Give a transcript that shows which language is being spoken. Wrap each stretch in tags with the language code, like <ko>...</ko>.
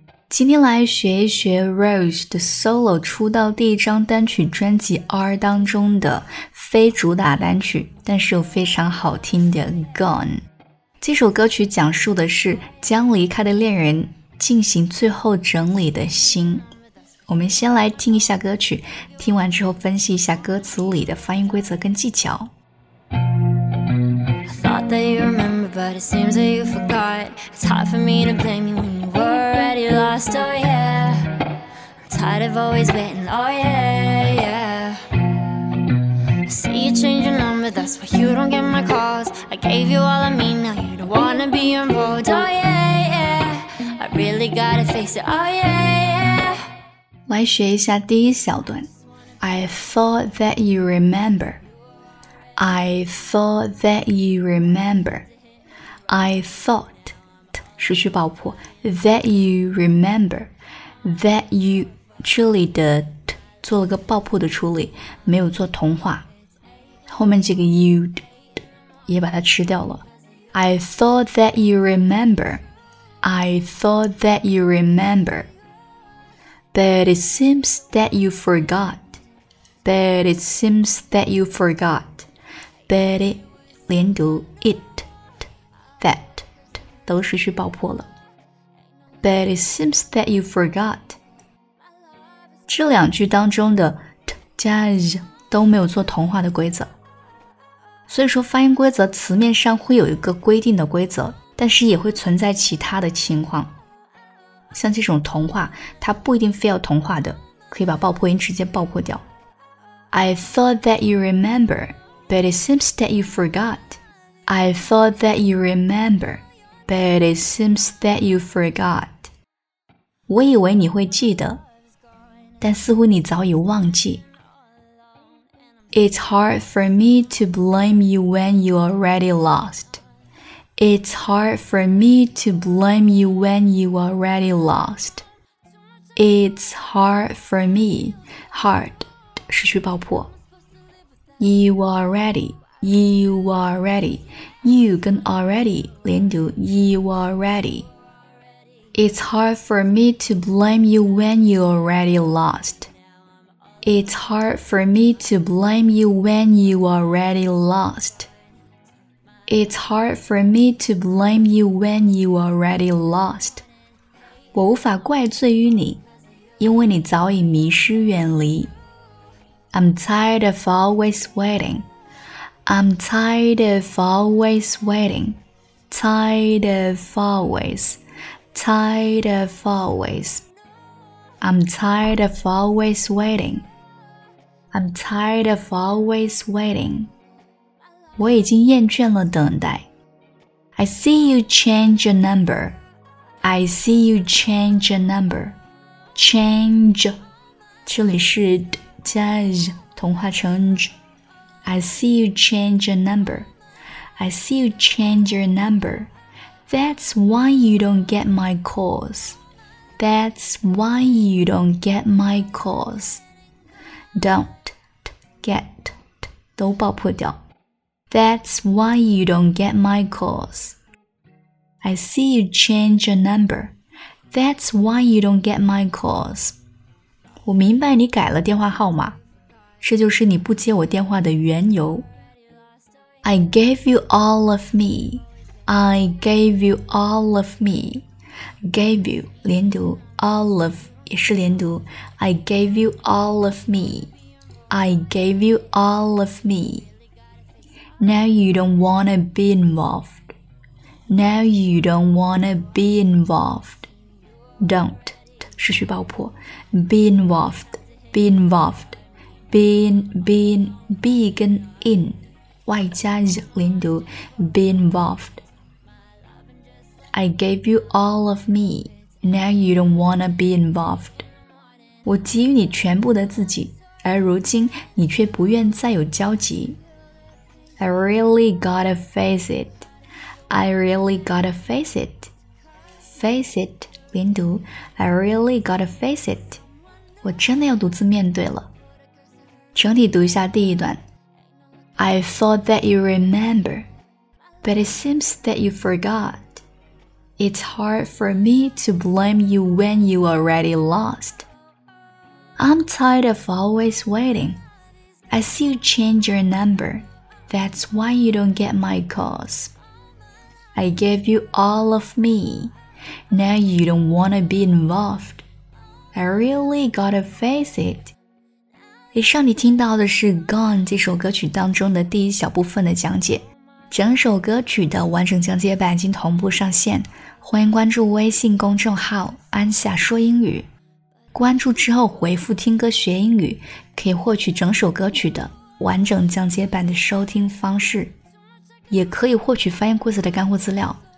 <zh>今天来学一学 Rose 的 solo 出道第一张单曲专辑 R 当中的非主打单曲，但是有非常好听的 Gone。这首歌曲讲述的是将离开的恋人进行最后整理的心。我们先来听一下歌曲，听完之后分析一下歌词里的发音规则跟技巧。</zh> <en>That you remember, but it seems that you forgot. It's hard for me to blame you when you were already lost. Oh yeah, I'm tired of always waiting. Oh yeah, yeah. I see you change your number, that's why you don't get my calls. I gave you all I mean, now you don't wanna be involved. Oh yeah, yeah. I really gotta face it. Oh yeah, yeah.</en> <zh>来学一下第一小段。</zh> <en>I thought that you remember. I thought that you remember. I thought,</en> <zh>失去爆破</zh> <en>that you remember. That you,</en> <zh>这里的 t 做了个爆破的处理，没有做同化。后面这个 you, 也把它吃掉了。</zh> <en>I thought that you remember. I thought that you remember. But it seems that you forgot. But it seems that you forgot. But it,</en> <zh>连读 it, that, 都失去爆破了。</zh> <en>But it seems that you forgot.</en> <zh>这两句当中的 t 加 z 都没有做同化的规则。所以说发音规则词面上会有一个规定的规则，但是也会存在其他的情况。像这种同化，它不一定非要同化的，可以把爆破音直接爆破掉。</zh> <en>I thought that you remember. But it seems that you forgot. I thought that you remember. But it seems that you forgot.</en> <zh>我以为你会记得，但似乎你早已忘记。</zh> <en>It's hard for me to blame you when you already lost. It's hard for me to blame you when you already lost. It's hard for me. Hard,</en> <zh>失去爆破。</zh> <en>You already, you already, you 跟 already 连读 you already. It's hard for me to blame you when you already lost. It's hard for me to blame you when you already lost. It's hard for me to blame you when you already lost.</en> <zh>我无法怪罪于你，因为你早已迷失远离。</zh> <en>I'm tired of always waiting. I'm tired of always waiting. Tired of always. Tired of always. I'm tired of always waiting. I'm tired of always waiting.</en> <zh>我已经厌倦了等待。</zh> <en>I see you change your number. I see you change your number. Change.</en> <zh>这里是change 同化成</zh> <en>I see you change your number. I see you change your number. That's why you don't get my calls. That's why you don't get my calls. Don't get</en> <zh>都爆破掉</zh> <en>That's why you don't get my calls. I see you change your number. That's why you don't get my calls.</en> <zh>我明白你改了电话号码，这就是你不接我电话的缘由。</zh> <en>I gave you all of me. I gave you all of me. Gave you,</en> <zh>连读</zh> <en>all of,</en> <zh>也是连读</zh> <en>I gave you all of me. I gave you all of me. Now you don't wanna be involved. Now you don't wanna be involved. Don't.</en> <zh>失去爆破</zh> <en>be involved, be involved, been, been, be 跟 in,</en> <zh>外加 z 连读</zh> <en>be involved. I gave you all of me, now you don't wanna be involved.</en> <zh>我给予你全部的自己，而如今你却不愿再有交集。</zh> <en>I really gotta face it, I really gotta face it, face it.</en> <zh>连读</zh> <en>I really gotta face it.</en> <zh>我真的要独自面对了。整体读一下第一段。</zh> <en>I thought that you remember. But it seems that you forgot. It's hard for me to blame you when you already lost. I'm tired of always waiting. I see you change your number. That's why you don't get my calls. I gave you all of me. Now you don't wanna be involved. I really gotta face it.</en> <zh>以上你听到的是《Gone》这首歌曲当中的第一小部分的讲解，整首歌曲的完整讲解版已经同步上线，欢迎关注微信公众号“安夏说英语”，关注之后回复“听歌学英语”，可以获取整首歌曲的完整讲解版的收听方式，也可以获取翻译故事的干货资料。</zh>